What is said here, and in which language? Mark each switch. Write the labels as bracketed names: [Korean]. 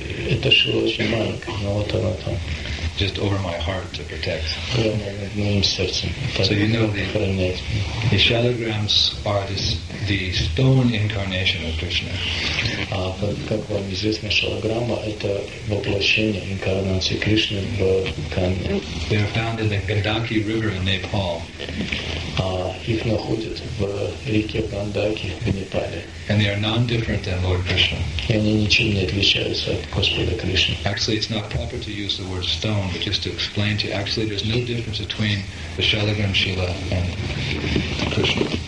[Russian] Это шило очень маленькое, но вот оно там. [English] Just over my heart to protect. So you know the shalagrams are the stone incarnation of Krishna. [Russian] Как вам известно, шалограмма – это воплощение инкарнации Кришны в камне. [English] They are found in the Gandaki River in Nepal. [Russian] Их находят в реке Гандаки в Непале. [English] And they are non-different than Lord Krishna. [Russian] Они ничем не отличаются от Господа Кришны. [English] Actually, it's not proper to use the word stone, but just to explain to you. Actually, there's no difference between the Shalagram Shila and Krishna.